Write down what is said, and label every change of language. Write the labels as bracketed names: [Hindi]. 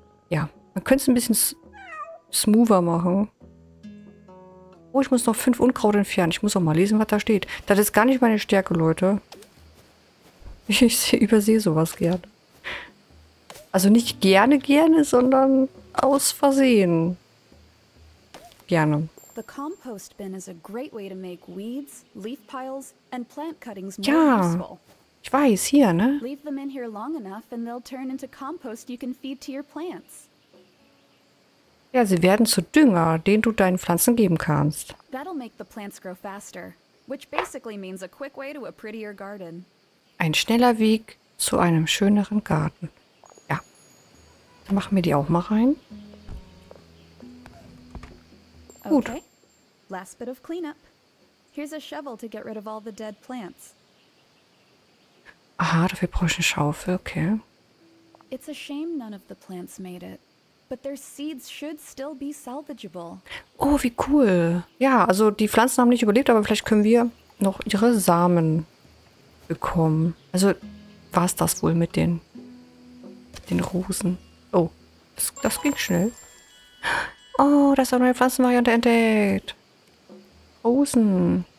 [German] Ja, man könnte es ein bisschen smoother machen. Oh, ich muss noch 5 Unkraut entfernen. Ich muss auch mal lesen, was da steht. Das ist gar nicht meine Stärke, Leute. Ich übersehe sowas gerne. Also nicht gerne, gerne, sondern aus Versehen. Gerne. [English] The compost bin is a great way to make weeds, leaf piles and plant cuttings more [German] Ja, [English] useful. [German] ich weiß, hier, ne? [English] Leave them in here long enough and they'll turn into compost you can feed to your plants. [German] Ja, sie werden zu Dünger, den du deinen Pflanzen geben kannst. [English] That'll make the plants grow faster, which basically means a quick way to a prettier garden. [German] Ein schneller Weg zu einem schöneren Garten. Dann machen wir die auch mal rein. Gut. [English] Okay, last bit of cleanup. Here's a shovel to get rid of all the dead plants. [German] Aha, dafür brauche ich eine Schaufel, okay. [English] It's a shame none of the plants made it, but their seeds should still be salvageable. [German] Oh, wie cool. Ja, also die Pflanzen haben nicht überlebt, aber vielleicht können wir noch ihre Samen bekommen. Also war es das wohl mit den Rosen? Oh, das ging schnell. Oh, das ist eine neue Pflanzenvariante entdeckt. Rosen.